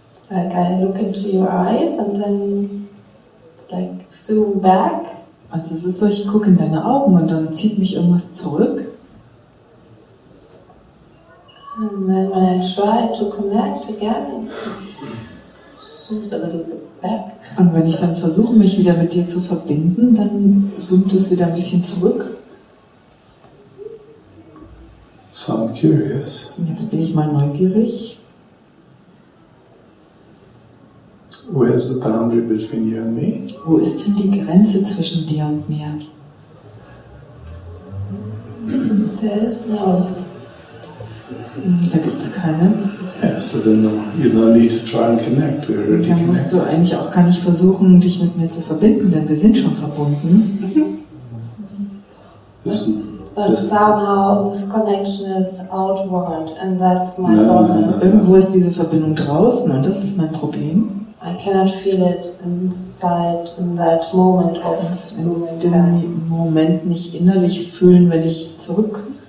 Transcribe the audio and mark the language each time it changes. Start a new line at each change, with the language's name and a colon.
English: Like I look into your eyes and then it's like zoom back.
German: Also es ist so, ich gucke in deine Augen und dann zieht mich irgendwas zurück.
English: And then when I try to connect again, it zooms a little bit back.
German: Und wenn ich dann versuche, mich wieder mit dir zu verbinden, dann zoomt es wieder ein bisschen zurück.
English: So I'm curious.
German: Jetzt bin ich mal neugierig.
English: Where's the boundary between you and me?
German: Wo ist denn die Grenze zwischen dir und mir?
English: There is no.
German: Da gibt's keine.
English: Yeah, so then you don't need to try and connect. We're already connected.
German: Musst du eigentlich auch gar nicht versuchen, dich mit mir zu verbinden, denn wir sind schon verbunden.
English: But somehow this connection is outward, and that's my problem.
German: Irgendwo ist diese Verbindung draußen, und das ist mein Problem.
English: I cannot feel it inside in that moment of
German: in dem Moment nicht innerlich fühlen, wenn ich zurück